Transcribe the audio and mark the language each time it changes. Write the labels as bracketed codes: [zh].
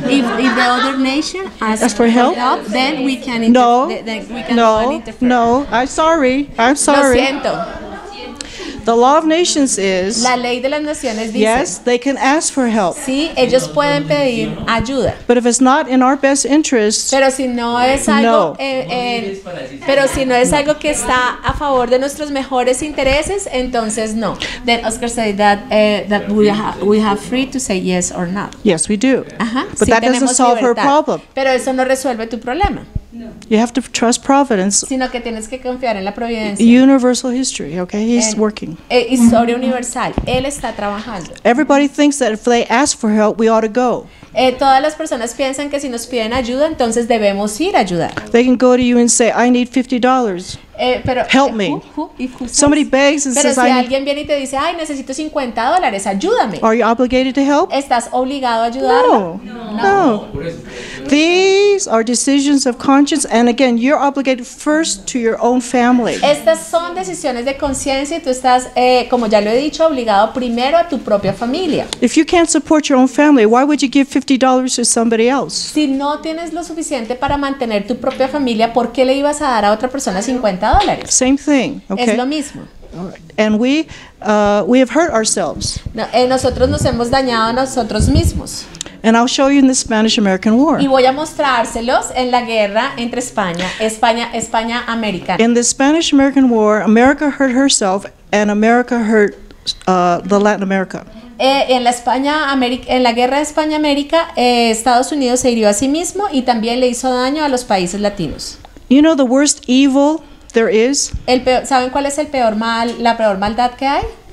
[en] If the other nation asks for help, then we can. No. Then we can no. No. I'm sorry. I'm sorry. [es] Lo siento. [en] The law of nations is. [es] La ley de las naciones dice. [en] Yes, they can ask for help. [es] Sí, ellos pueden pedir ayuda. [en] But if it's not in our best interest. [es] Pero si no es algo. No. Pero si no es algo que está a favor de nuestros mejores intereses, entonces no. [en] Then Oscar said that that we have free to say yes or not. Yes, we do. Uh-huh. But that doesn't solve [es] libertad. [en] Her problem. [es] Pero eso no resuelve tu problema. [en] You have to trust providence. [es] Sino que tienes que confiar en la providencia. [en] Universal history, okay? He's working. [es] Historia universal. Él está trabajando. [en] Everybody thinks that if they ask for help, we ought to go. [es] Todas las personas piensan que si nos piden ayuda, entonces debemos ir a ayudar. [en] They can go to you and say, I need $50. [es] Pero, [en] help me. Somebody begs and [es] pero [en] says, [es] si alguien viene y te dice, ay, necesito $50, ayúdame. [en] Are you obligated to help? [es] ¿Estás obligado a ayudarla? [en] No. [es] No. No. No. [en] These are decisions of conscience, and again, you're obligated first to your own family. [es] Estas son decisiones de conciencia y tú estás, como ya lo he dicho, obligado primero a tu propia familia. [en] If you can't support your own family, why would you give $50 to somebody else? [es] Si no tienes lo suficiente para mantener tu propia familia, ¿por qué le ibas a dar a otra persona $50? [en] Same thing, okay. [es] Es lo mismo. [en] And we have hurt ourselves. [es] No, nosotros nos hemos dañado a nosotros mismos. [en] And I'll show you in the Spanish-American War. [es] Y voy a mostrárselos en la guerra entre España-América. [en] In the Spanish-American War, America hurt herself, and America hurt the Latin America. [es] En la guerra de España-América, Estados Unidos se hirió a sí mismo y también le hizo daño a los países latinos. [en] You know the worst evil there is? [es] ¿Saben cuál es la peor maldad que hay?